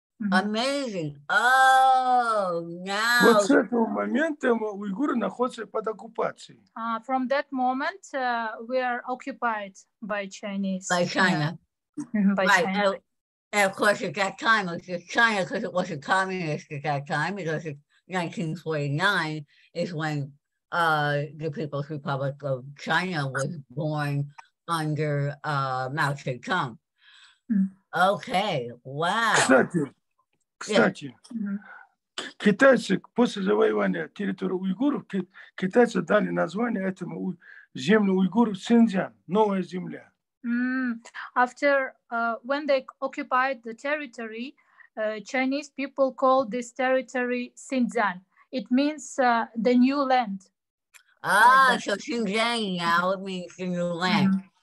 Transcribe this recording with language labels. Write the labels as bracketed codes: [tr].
[en] That's not that long ago. Wow. Yeah. Amazing. Now. [ru] Вот с этого момента уйгуры находятся под оккупацией. [en] From that moment, we are occupied by Chinese. By China. By China. And of course, at that time, it was just China because it wasn't communist at that time. Because it, 1949 is when the People's Republic of China was born under Mao Zedong. Okay. Wow. [ru] Кстати, китайцы после завоевания территории уйгуров, китайцы дали название этому землю уйгуров Синьцзян, новая земля. [en] After when they occupied the territory, Chinese people called this territory Xinjiang. It means the new land. So Xinjiang now it means the new land.